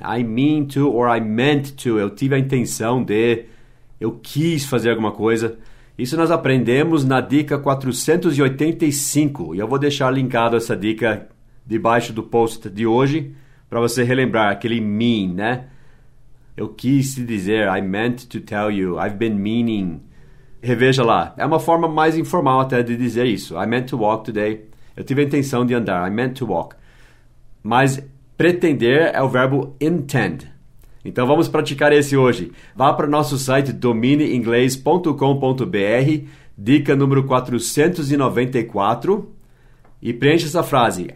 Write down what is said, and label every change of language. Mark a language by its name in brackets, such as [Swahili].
[English] I mean to or I meant to. [Portuguese] Eu tive a intenção de, eu quis fazer alguma coisa. Isso nós aprendemos na dica 485. E eu vou deixar linkado essa dica debaixo do post de hoje para você relembrar aquele mean, né? Eu quis te dizer, [English] I meant to tell you, I've been meaning. [Portuguese] Reveja lá. É uma forma mais informal até de dizer isso. [English] I meant to walk today. [Portuguese] Eu tive a intenção de andar. [English] I meant to walk. [Portuguese] Mas pretender é o verbo intend. Então vamos praticar esse hoje. Vá para o nosso site dominioinglês.com.br, dica número 494, e preencha essa frase.